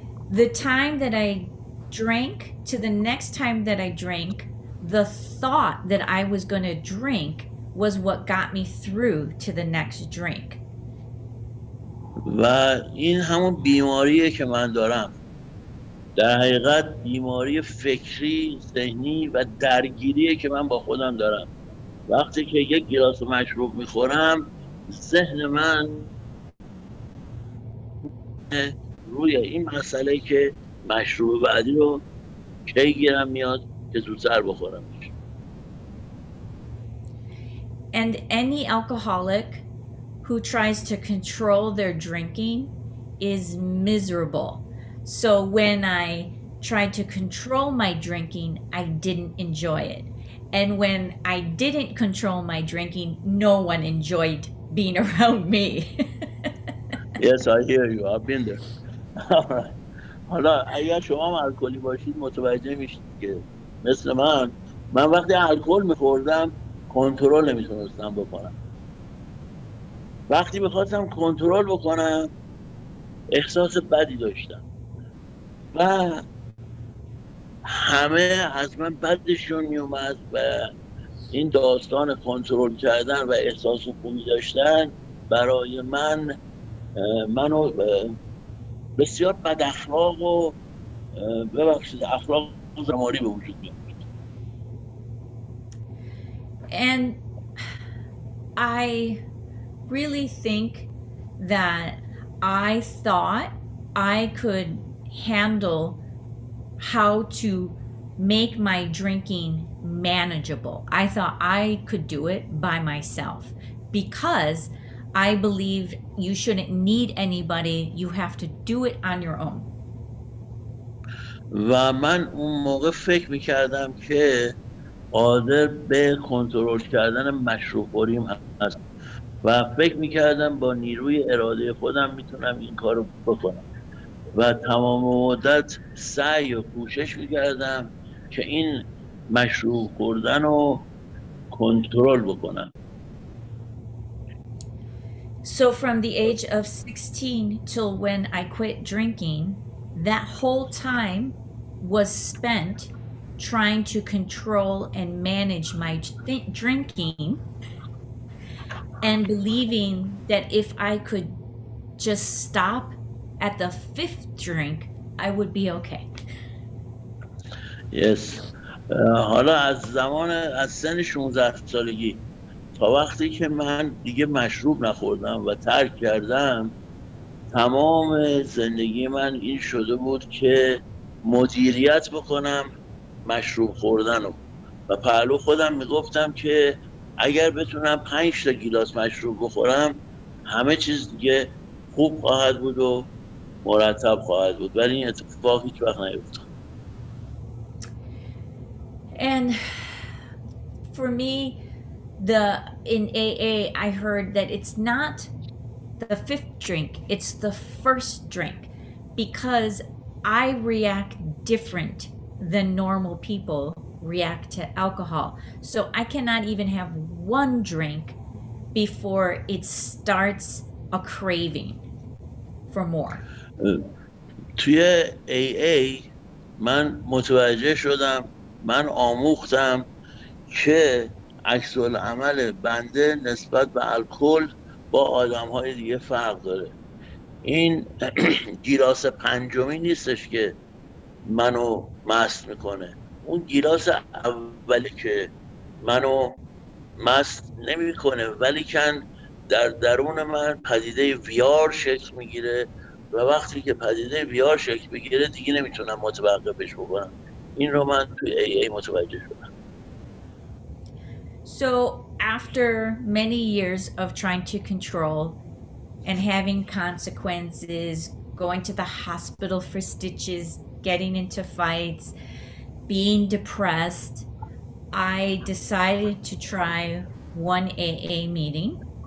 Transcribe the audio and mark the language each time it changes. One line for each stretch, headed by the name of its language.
English: The time that I drank to the next time that I drank, the thought that I was going to drink was what got me through to the next drink.
Persian: و این همون بیماریه که من دارم. در حقیقت بیماری فکری، ذهنی و درگیریه که من با خودم دارم. وقتی که یک گلاس مشروب میخورم، ذهن من روی این مسئله که مشروب بعدی رو کی گیرم میاد که زودتر بخورم.
English: And any alcoholic who tries to control their drinking is miserable. So when I tried to control my drinking, I didn't enjoy it. And when I didn't control my drinking, no one enjoyed being around me. Yes, I hear you. I've been there.
Persian: حالا اگر شما هم الکلی باشید متوجه میشید که مثل من وقتی الکل میخوردم کنترل نمیتونستم بکنم. وقتی میخواستم کنترل بکنم احساس بدی داشتم و همه از من بدشون میومد و این داستان کنترل کردن و احساس خوبی داشتن برای منو بسیار بد اخلاق و ببخشید اخلاق زماری به وجود میاد.
English: And I really think that I thought I could handle how to make my drinking manageable. I thought I could do it by myself because I believe you shouldn't need anybody. You have to do it on your own.
Persian: و من اون موقع فکر میکردم که قادر به کنترل کردن مشروب خوریم هست و فکر میکردم با نیروی اراده خودم میتونم این کار رو بکنم و تمام مدت سعی و کوشش میکردم که این مشروب خوردن رو کنترل بکنم.
English: So from the age of 16 till when I quit drinking, that whole time was spent trying to control and manage my drinking and believing that if I could just stop at the fifth drink, I would be okay. Yes.
Persian: حالا از زمان از سن 16 سالگی تا وقتی که من دیگه مشروب نخوردم و ترک کردم تمام زندگی من این شده بود که مدیریت بکنم مشروب خوردنو و پهلو خودم میگفتم که اگر بتونم 5 تا گیلاس مشروب بخورم همه چیز دیگه خوب خواهد بود و مرتب خواهد بود، ولی این اتفاق هیچ وقت نیفتاد.
English: And for me, the in AA, I heard that it's not the fifth drink, it's the first drink, because I react different than normal people react to alcohol. So I cannot even have one drink before it starts a craving for more.
Persian: توی AA من متوجه شدم، من آموختم که عکس العمل بنده نسبت به الکل با آدم های دیگه فرق داره. این گیلاس پنجمی نیستش که منو مست میکنه، اون گیلاس اولی که منو مست نمیکنه، ولی کن در درون من پدیده ویار شکل میگیره و وقتی که پدیده ویار شکل بگیره دیگه نمیتونم متوقفش بکنم. این رو من توی ای ای متوجه شدم.
English: So after many years of trying to control and having consequences, going to the hospital for stitches, getting into fights, being depressed, I decided to try one AA meeting.